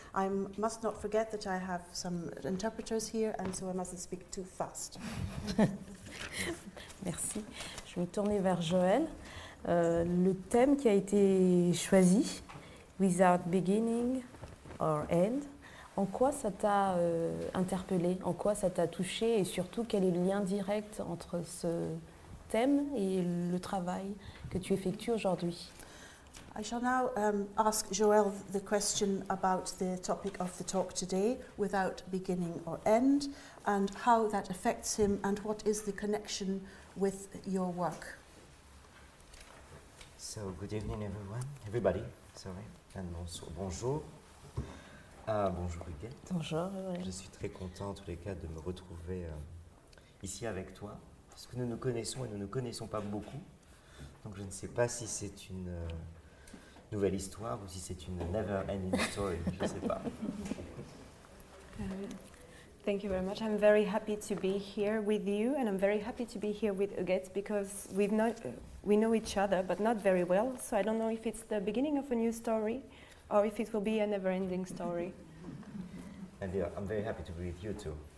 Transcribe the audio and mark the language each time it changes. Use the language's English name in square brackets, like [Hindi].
[English] I must not forget that I have some interpreters here, and so I mustn't speak too fast. [French] Merci. Je vais me tourner vers Joël. Le thème qui a été choisi, Without Beginning or End, en quoi ça t'a interpellé, en quoi ça t'a touché, et surtout quel est le lien direct entre ce thème et le travail que tu effectues aujourd'hui? [English] I shall now ask Joël the question about the topic of the talk today, without beginning or end, and how that affects him, and what is the connection with your work. So, good evening, everybody. Sorry, and also bonjour. [French] Bonjour, Huguette. Bonjour. Ouais. Je suis très content, en tous les cas, de me retrouver ici avec toi, parce que nous nous connaissons et nous ne nous connaissons pas beaucoup. Donc, je ne sais pas si c'est une nouvelle histoire ou si c'est une never-ending story, je ne sais pas. [English] Thank you very much. I'm very happy to be here with you, and I'm very happy to be here with Huguette, because we know each other, but not very well. So I don't know if it's the beginning of a new story, or if it will be a never-ending story. And yeah, I'm very happy to be with you too.